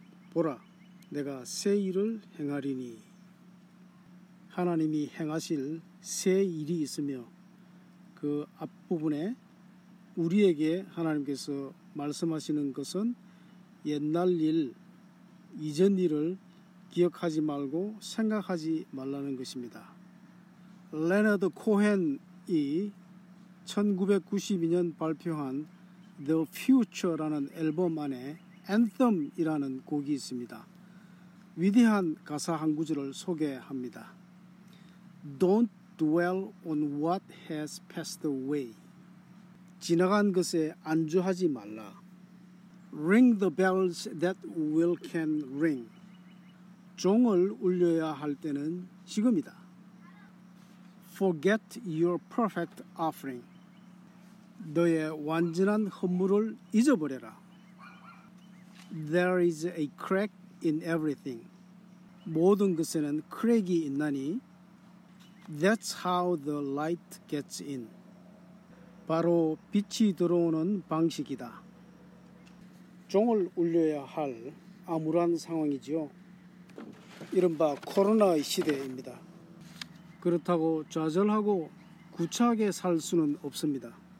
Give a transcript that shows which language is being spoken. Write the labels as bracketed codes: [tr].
[ko] 보라, 내가 새 일을 행하리니. 하나님이 행하실 새 일이 있으며, 그 앞부분에 우리에게 하나님께서 말씀하시는 것은 옛날 일, 이전 일을 기억하지 말고 생각하지 말라는 것입니다. 레너드 코헨이 1992년 발표한 The Future라는 앨범 안에 Anthem이라는 곡이 있습니다. 위대한 가사 한 구절을 소개합니다. [en] Don't dwell on what has passed away. [ko] 지나간 것에 안주하지 말라. [en] Ring the bells that will can ring. [ko] 종을 울려야 할 때는 지금이다. [en] Forget your perfect offering. [ko] 너의 완전한 헌물을 잊어버려라. [en] There is a crack in everything. [ko] 모든 것에는 크랙이 있나니. [en] That's how the light gets in. [ko] 바로 빛이 들어오는 방식이다. 종을 울려야 할 암울한 상황이지요. 이른바 코로나의 시대입니다. 그렇다고 좌절하고 구차하게 살 수는 없습니다.